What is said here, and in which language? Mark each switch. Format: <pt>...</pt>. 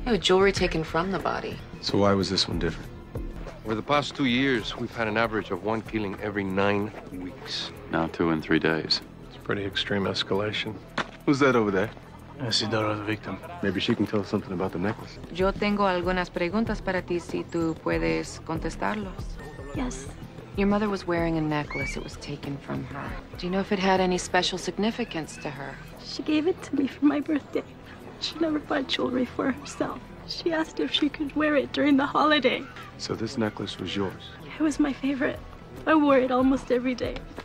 <en>You have jewelry taken from the body. So why was this one different? Over the past 2 years, we've had an average of one killing every 9 weeks. Now 2 in 3 days. It's pretty extreme escalation. Who's that over there?</en> <es>Es el dueño del victim.</es> <en>Maybe she can tell us something about the necklace.</en> <es>Yo tengo algunas preguntas para ti si tú puedes contestarlos.</es> <en>Yes. Your mother was wearing a necklace. It was taken from her. Do you know if it had any special significance to her? She gave it to me for my birthday. She never bought jewelry for herself. She asked if she could wear it during the holiday. So this necklace was yours? It was my favorite. I wore it almost every day.</en>